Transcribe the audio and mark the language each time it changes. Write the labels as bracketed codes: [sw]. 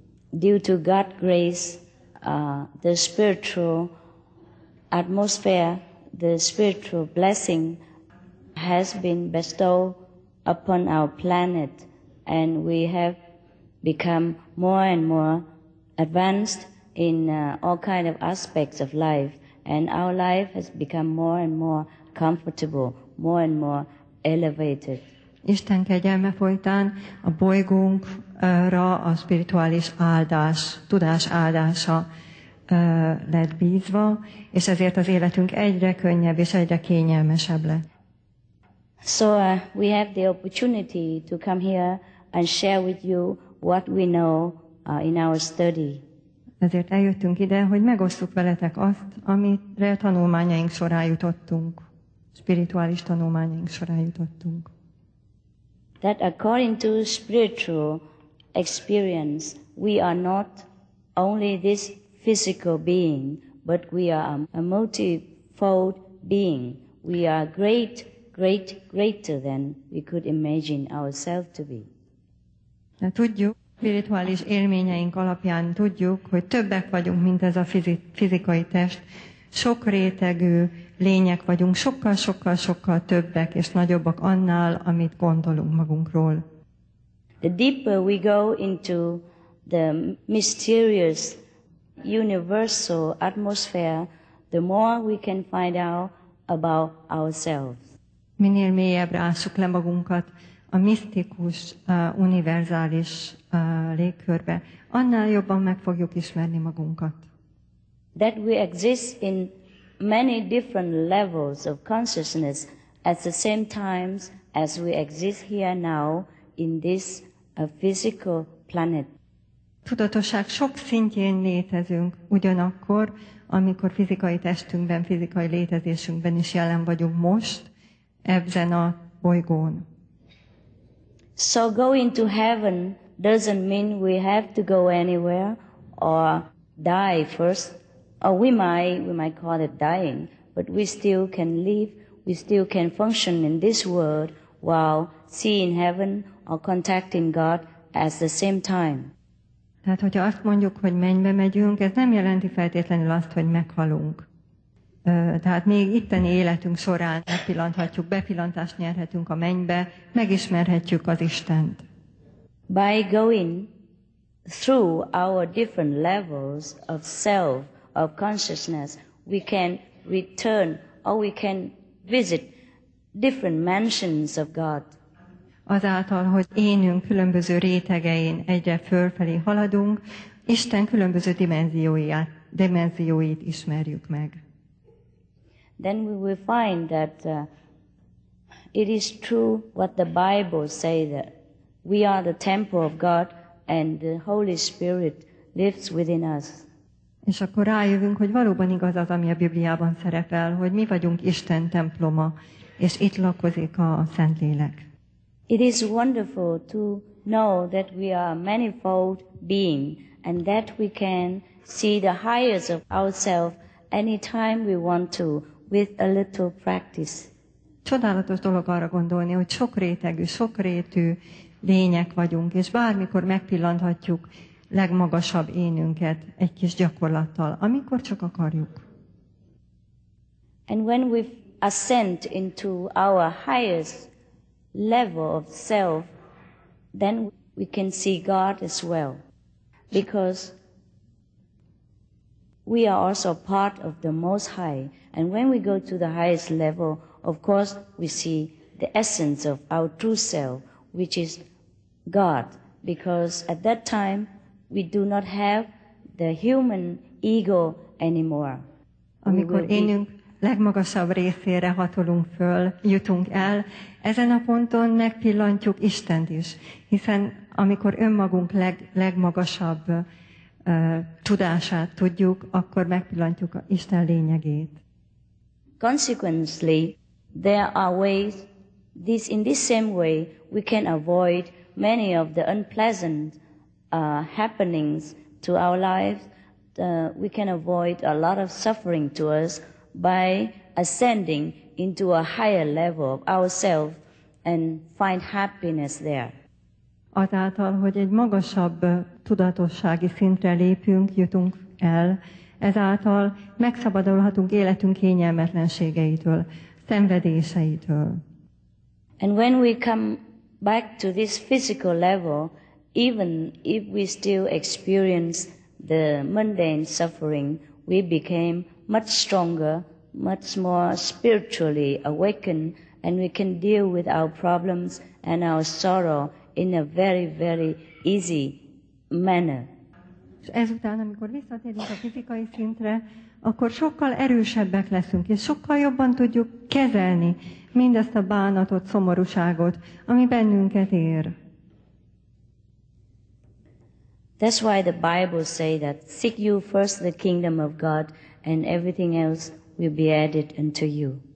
[en] Due to God's grace, the spiritual atmosphere, the spiritual blessing has been bestowed upon our planet, and we have become more and more advanced in all kind of aspects of life, and our life has become more and more comfortable, more and more elevated. [hu] Isten kegyelme folytán a bolygónkra a spirituális áldás, tudás áldása lett bízva, és ezért az életünk egyre könnyebb és egyre kényelmesebb lett. [en] So we have the opportunity to come here and share with you what we know in our study. [hu] Ezért eljöttünk ide, hogy megosszuk veletek azt, amire tanulmányaink során jutottunk. Spirituális tanulmányaink során jutottunk. [en] That according to spiritual experience, we are not only this physical being, but we are a multifold being. We are great, great, greater than we could imagine ourselves to be. [hu] De tudjuk, spirituális élményeink alapján tudjuk, hogy többek vagyunk, mint ez a fizikai test. Sok rétegű lények vagyunk, sokkal többek és nagyobbak annál, amit gondolunk magunkról. [en] The deeper we go into the mysterious universal atmosphere, the more we can find out about ourselves. [hu] Minél mélyebbre ássuk le magunkat a misztikus, univerzális légkörbe, annál jobban meg fogjuk ismerni magunkat. [en] That we exist in many different levels of consciousness at the same times as we exist here now in this physical planet. [hu] Tudatosság sok szintjén létezünk ugyanakkor, amikor fizikai testünkben, fizikai létezésünkben is jelen vagyunk most, ebben a bolygón. [en] So going to heaven doesn't mean we have to go anywhere or die first. Or we might call it dying, but we still can live, we still can function in this world while seeing heaven or contacting God at the same time. [hu] Tehát, hogyha azt mondjuk, hogy mennybe megyünk, ez nem jelenti feltétlenül azt, hogy meghalunk. Tehát még itteni életünk során megpillanthatjuk, bepillantást nyerhetünk a mennybe, megismerhetjük az Istent. [en] By going through our different levels of self, of consciousness, we can return or we can visit different mansions of God. [hu] Azáltal, hogy énünk különböző rétegein egyre fölfelé haladunk, Isten különböző dimenzióit ismerjük meg. [en] Then we will find that it is true what the Bible says, that we are the temple of God and the Holy Spirit lives within us. [hu] És akkor rájövünk, hogy valóban igaz az, ami a Bibliában szerepel, hogy mi vagyunk Isten temploma, és itt lakozik a Szentlélek. [en] It is wonderful to know that we are a manifold being and that we can see the highest of ourselves anytime we want to with a little practice. [hu] Csodálatos dolog arra gondolni, hogy sokrétű lények vagyunk, és bármikor megpillanthatjuk legmagasabb énünket egy kis gyakorlattal, amikor csak akarjuk. [en] And when we ascend into our highest level of self, then we can see God as well, because we are also part of the Most High. And when we go to the highest level, of course we see the essence of our true self, which is God, because at that time we do not have the human ego anymore. [hu] Amikor énünk legmagasabb részére hatolunk föl, jutunk el, ezen a ponton megpillantjuk Istent is, hiszen amikor önmagunk legmagasabb tudását tudjuk, akkor megpillantjuk Isten lényegét. [en] Consequently, there are ways, in this same way, we can avoid many of the unpleasant happenings to our lives. We can avoid a lot of suffering to us by ascending into a higher level of ourselves and find happiness there. [hu] Azáltal, hogy egy magasabb tudatossági szintre lépünk, jutunk el, ezáltal megszabadulhatunk életünk kényelmetlenségeitől, szenvedéseitől. [en] And when we come back to this physical level, even if we still experience the mundane suffering, we became much stronger, much more spiritually awakened, and we can deal with our problems and our sorrow in a very, very easy manner. [hu] És ezután, amikor visszatérünk a fizikai szintre, akkor sokkal erősebbek leszünk, és sokkal jobban tudjuk kezelni mindezt a bánatot, szomorúságot, ami bennünket ér. [en] That's why the Bible say that seek you first the kingdom of God, and everything else will be added unto you.